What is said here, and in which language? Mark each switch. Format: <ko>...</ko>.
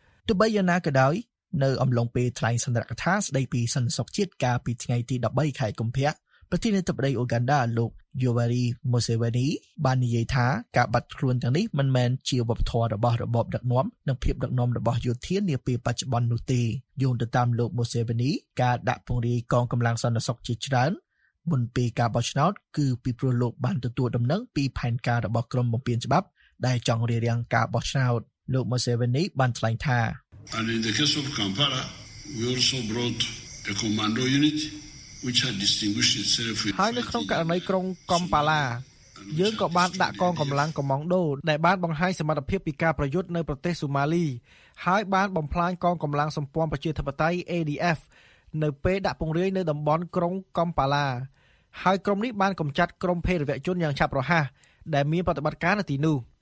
<km>ទោះបីយ៉ាងណាក៏ដោយនៅអំឡុងពេលថ្លែងសន្និកថាស្ដីពីសន្តិសុខជាតិកាលពីថ្ងៃទី13ខែកុម្ភៈប្រធានាធិបតីអូហ្គាន់ដាលោកយូវារីមូសេវេនីបាននិយាយថាការបាត់ខ្លួនទាំងនេះមិនមែនជាវប្បធម៌របស់របបដឹកនាំនិងភាពដឹកនាំរបស់យោធានាពេលបច្ចុប្បន្ននោះទេយោងទៅតាមលោកមូសេវេនីការដាក់ពង្រាយកងកម្លាំងសន្តិសុខជាច្រើន មុនពេលការបោះឆ្នោតគឺពីព្រោះលោកបានទទួលដំណឹងពីផែនការរបស់ក្រុមបំពេញច្បាប់ដែលចង់រារាំងការបោះឆ្នោតលោកមូសេវេនីបានថ្លែងថា</km> <en>And in the case of Kampala, we also brought a commando unit which had distinguished itself with fighting.</en> <km>ហើយក្នុងករណីក្រុងកំប៉ាឡាយើងក៏បានដាក់កងកម្លាំងកម្មង់ដូដែលបានបង្ហាញសមត្ថភាពពីការប្រយុទ្ធនៅប្រទេសសូម៉ាលីហើយបានបំផ្លាញកងកម្លាំងសម្ព័ន្ធប្រជាធិបតេយ្យ ADF នៅពេលដាក់ពង្រាយនៅតំបន់ក្រុងកំប៉ាឡាហើយក្រុមនេះបានកម្ចាត់ក្រុមភេរវជនយ៉ាងឆាប់រហ័សដែលមានប្រតិបត្តិការនៅទីនោះ</km>